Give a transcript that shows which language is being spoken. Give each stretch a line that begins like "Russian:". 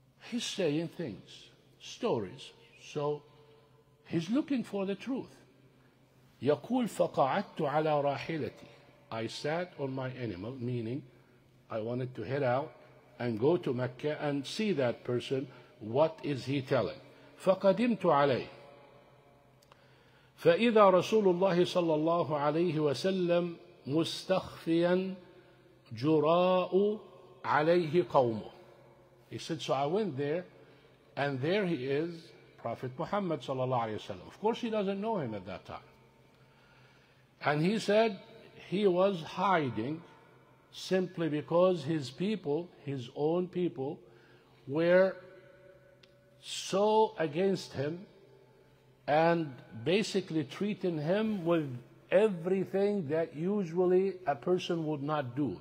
English: He's saying things, stories. So he's looking for the truth.
Arabic: يقول فقعدت على راحلتي
English: I sat on my animal, meaning I wanted to head out and go to Mecca and see that person, what is he telling.
Arabic: فقدمت عليه فإذا رسول الله صلى الله عليه وسلم مستخفيا جراء عليه قومه.
English: He said, so I went there and there he is, Prophet Muhammad صلى الله عليه وسلم. Of course he doesn't know him at that time. And he said he was hiding simply because his people, his own people, were so against him and basically treating him with everything that usually a person would not do.